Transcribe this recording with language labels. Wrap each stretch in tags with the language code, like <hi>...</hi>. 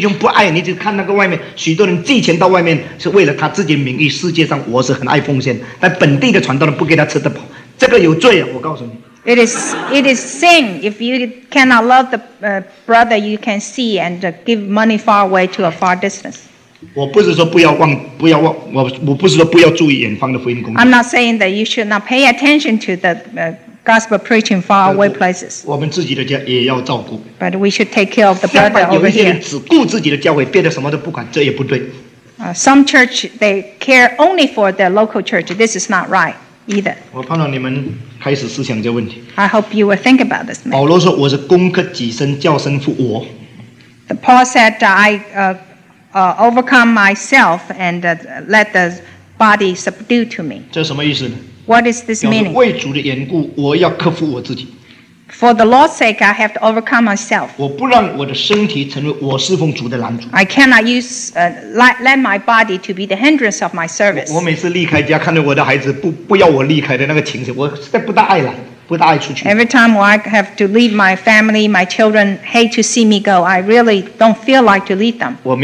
<zh>所以呢，这个大家自己看得见的弟兄不爱你，就看那个外面， 许多人寄钱到外面是为了他自己的名义, 世界上我是很爱奉献, 但本地的传道人不给他吃得饱, 这个有罪啊，我告诉你。</zh> <en>It is sin if you cannot love the brother you can see and give money far away to a far distance.</en> <zh>我不是说不要注意远方的福音工作。</zh> <en>I'm not saying that you should not pay attention to the gospel preaching far away places.</en> <zh>我们自己的家也要照顾。</zh> <en>But we should take care of the brother over here.</en> <zh>有一些人只顾自己的教会，别的什么都不管，这也不对。</zh> <en>Some church they care only for their local church. This is not right. Either.</en> <zh>我盼望你们开始思想这个问题。</zh> <en>I hope you will think about this.</en> <zh>保罗说：“我是攻克己身，叫身负我。”</zh> <en>The Paul said, "I overcome myself and let the body subdue to me."</en> <zh>这什么意思呢？</zh> <en>What is this meaning?</en> <zh>为主的缘故，我要克服我自己。</zh> <en>For the Lord's sake, I have to overcome myself.</en> <zh>我不让我的身体成为我侍奉主的拦阻。</zh> <en>I cannot use let my body to be the hindrance of my service.</en> <zh>我每次离开家，看到我的孩子不要我离开的那个情形，我实在不大爱来，不大爱出去。</zh> <en>Every time when I have to leave my family, my children hate to see me go. I really don't feel like to leave them.</en>